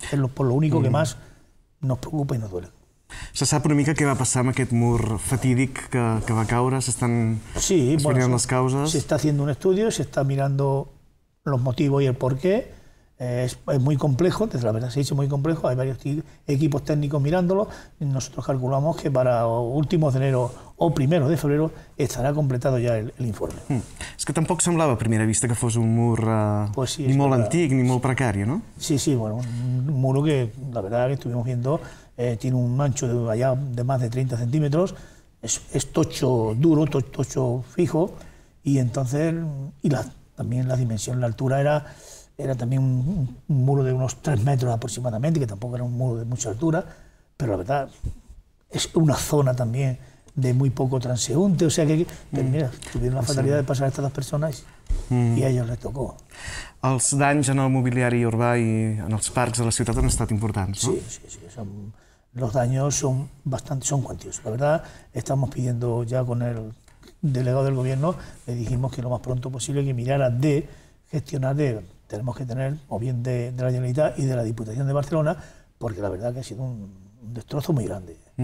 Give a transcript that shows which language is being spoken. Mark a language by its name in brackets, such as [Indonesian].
[Spanish] Es por lo único que más nos preocupa y nos duele. [Catalan] Se sap una mica què va passar amb aquest mur fatídic que va caure, s'estan explicant les causes. [Spanish] Se está haciendo un estudio, se está mirando los motivos y el porqué. Es muy complejo, desde la verdad se dice muy complejo, hay varios equipos técnicos mirándolo. Nosotros calculamos que para últimos de enero o primeros de febrero estará completado ya el informe. [Catalan] És que tampoc semblava a primera vista que fos un mur ni molt antic ni molt precari, no? [Spanish] Sí, sí, un muro que la verdad que estuvimos viendo. Tiene un ancho de más de 30 centímetros, es tocho duro, tocho fijo, y entonces, también la dimensión, la altura era también un muro de unos 3 metros aproximadamente, que tampoco era un muro de mucha altura, pero la verdad es una zona también de muy poco transeúnte, o sea que, mira, tuvieron la fatalidad de pasar a estas dos personas y a ellos les tocó. [Catalan] Els danys en el mobiliari urbà i en els parcs de la ciutat han estat importants, no? [Spanish] Sí, sí, sí. Los daños son cuantiosos. La verdad, estamos pidiendo ya con el delegado del gobierno, le dijimos que lo más pronto posible que mirara de gestionar, tenemos que tener, o bien de la Generalitat y de la Diputación de Barcelona, porque la verdad que ha sido un destrozo muy grande.